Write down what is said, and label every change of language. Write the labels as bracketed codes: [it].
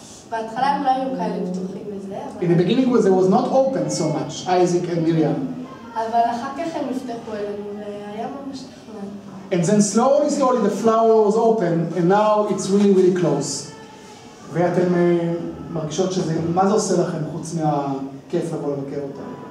[he] בהתחלה הם לא היו כאלה פתוחים לזה, אבל [en] in the beginning was, it was not open so much, אייזיק and מיריאם. [he] אבל אחר כך הם נפתחו אלינו, והיה ממש נחמד. [en] And then slowly, slowly the flower was open, and now it's really, really close. [he] ואתם מרגישות שזה, מה זה עושה לכם חוץ מהכיף לבוא לבקר אותם?